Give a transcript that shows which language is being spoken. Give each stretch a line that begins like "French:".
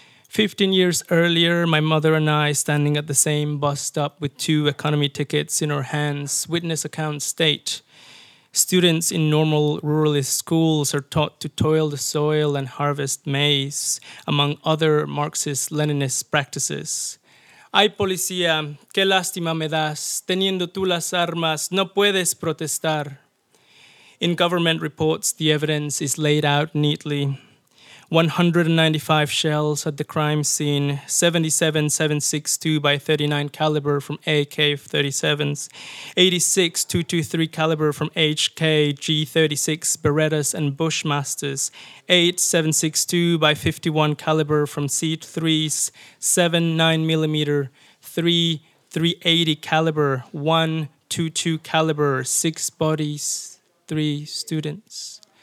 English: 15 years earlier, my mother and I, standing at the same bus stop with two economy tickets in our hands, witness accounts state, students in normal ruralist schools are taught to toil the soil and harvest maize, among other Marxist-Leninist practices.
Spanish: Ay, policía, qué lástima me das. Teniendo tú las armas, no puedes protestar.
English: In government reports, the evidence is laid out neatly. 195 shells at the crime scene, 77.762x39 caliber from AK-37s, 86.223 caliber from HK-G36 Berettas and Bushmasters, 8.762x51 caliber from C3s, 7.9mm, 3.380 caliber, 1.22 caliber, 6 bodies, 3 students.